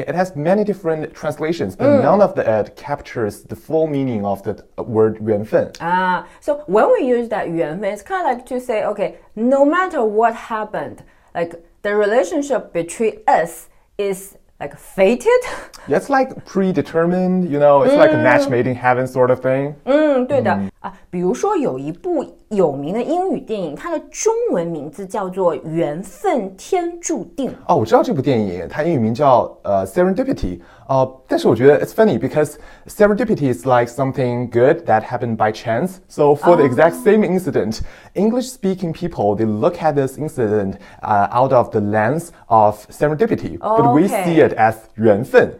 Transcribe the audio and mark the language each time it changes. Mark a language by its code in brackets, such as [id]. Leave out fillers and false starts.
[en] It has many different translations, but none of it captures the full meaning of the word 缘分. So when we use that 缘分, it's kind of like to say, okay, no matter what happened, like the relationship between us is like fated. Yeah, it's like predetermined, you know, it's like a match made in heaven sort of thing. [zh] 对的。比如说有一部有名的英语电影它的中文名字叫做缘分天注定哦我知道这部电影它英语名叫Serendipity 但是我觉得 [en] it's funny because Serendipity is like something good that happened by chance so for the exact same incident English speaking people they look at this incident out of the lens of Serendipity but we see it as 缘分